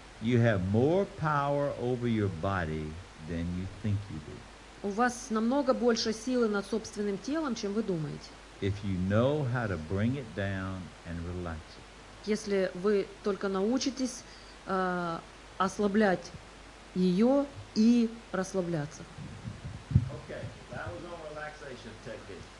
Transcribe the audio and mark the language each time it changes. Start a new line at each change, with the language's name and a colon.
English: You have more power over your body than you think you do.
Russian: У вас намного больше силы над собственным телом, чем вы думаете.
English: If you know how to bring it down and relax it.
Russian: Если вы только научитесь ослаблять ее и расслабляться.
English: Okay, that was all relaxation technique.